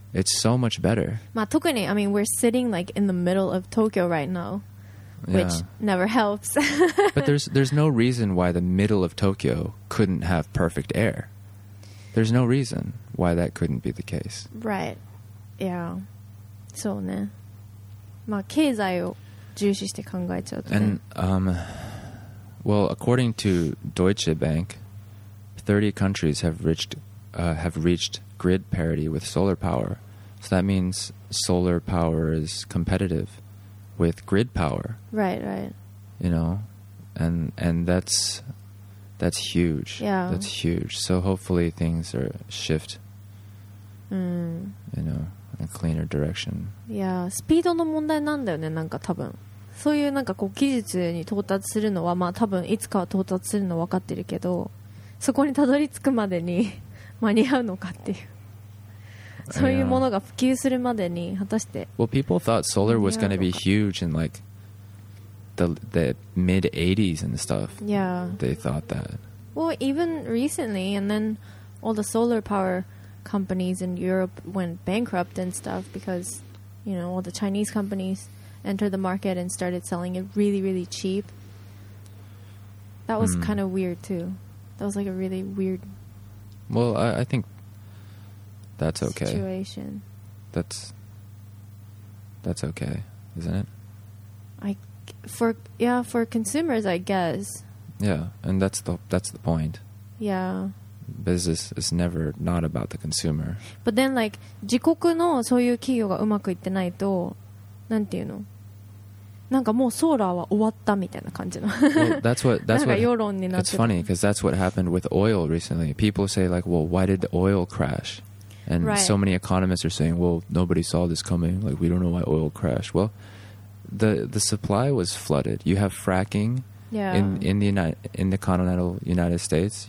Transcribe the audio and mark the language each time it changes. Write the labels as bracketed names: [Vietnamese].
[English] It's so much better. [Japanese] まあ特に、 [English] I mean, we're sitting like in the middle of Tokyo right now, which never helps. But there's no reason why the middle of Tokyo couldn't have perfect air. There's no reason why that couldn't be the case. Right. Yeah. [Japanese] そうね。まあ経済を重視して考えちゃうとね。 [English] And, well, according to Deutsche Bank, 30 countries have reached grid parity with solar power. So that means solar power is competitive with grid power. Right, right. You know, and that's huge. Yeah. That's huge. So hopefully things are shift, you know, in a cleaner direction. Yeah. [Japanese] スピードの問題なんだよね、なんか多分。そういうなんかこう技術に到達するのは、まあ多分いつかは到達するの分かってるけど、そこにたどり着くまでに間に合うのかっていう。そういうものが普及するまでに果たして。 [English] Well, people thought solar was going to be huge in like the mid 80s and stuff. Yeah. They thought that. Well, even recently, and then all the solar power companies in Europe went bankrupt and stuff because, you know, all the Chinese companies entered the market and started selling it really, really cheap. That was kind of weird too. That was like a really weird... Well, I think that's okay. Situation. That's okay, isn't it? For consumers, I guess. Yeah, and that's the point. Yeah. Business is never not about the consumer. But then, like, [Japanese] 自国のそういう企業がうまくいってないと、なんていうの？なんかもうソーラーは終わったみたいな感じの。 [English] Well, that's what [Japanese] 世論になって。 [English] It's funny because that's what happened with oil recently. People say like, well, why did the oil crash? And so many economists are saying, well, nobody saw this coming. Like, we don't know why oil crashed. Well, the supply was flooded. You have fracking in the continental United States.